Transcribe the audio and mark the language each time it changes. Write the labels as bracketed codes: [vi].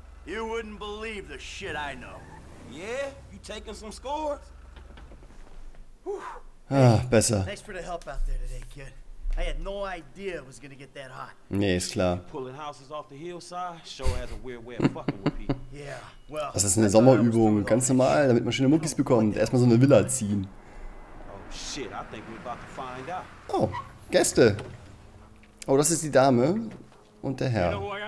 [en] You wouldn't believe the shit I know. Yeah? You taking some scores? [de] Whew. Ah, besser. [en] Thanks for the help out there today, kid. I had no idea it was gonna get that hot. [de] Nee, ist klar. [en] Pulling houses off the hillside, show has a weird way of fucking with people. Yeah, well. [de] Das ist eine Sommerübung, ganz normal, damit man schöne Muckis bekommt. Erstmal so eine Villa ziehen. [en] Oh shit, I think we're about to find out. [de] Oh, Gäste. Oh, das ist die Dame und der Herr.